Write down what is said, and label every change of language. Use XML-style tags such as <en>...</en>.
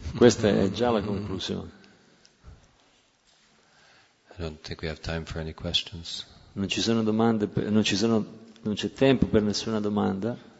<it>Questa è già la conclusione.</it> <en>I don't think we have time for any questions.</en> <it>Non ci sono domande, non c'è tempo per nessuna domanda.</it>